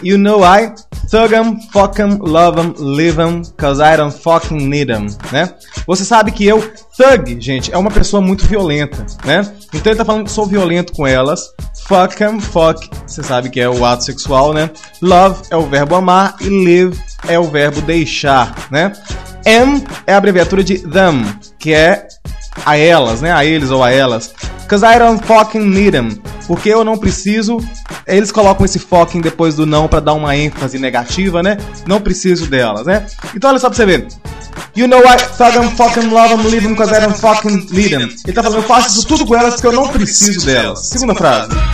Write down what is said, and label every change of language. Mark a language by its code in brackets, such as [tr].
[en] You know I thug 'em, fuck 'em, love 'em, leave 'em, cause I don't fucking need 'em, né? [pt] Você sabe que eu, thug, gente, é uma pessoa muito violenta, né? Então ele tá falando que sou violento com elas. Fuck 'em, fuck, você sabe que é o ato sexual, né? Love é o verbo amar e leave é o verbo deixar, né? Am é a abreviatura de them, que é a elas, né? A eles ou a elas. [en] Cause I don't fucking need 'em. [pt] Porque eu não preciso. Eles colocam esse fucking depois do não pra dar uma ênfase negativa, né? Não preciso delas, né? Então olha só pra você ver. [en] You know I thug 'em, fuck 'em, love 'em, leave 'em, cause I don't fucking need 'em. [pt] Ele tá falando, eu faço isso tudo com elas porque eu não preciso delas. Segunda frase.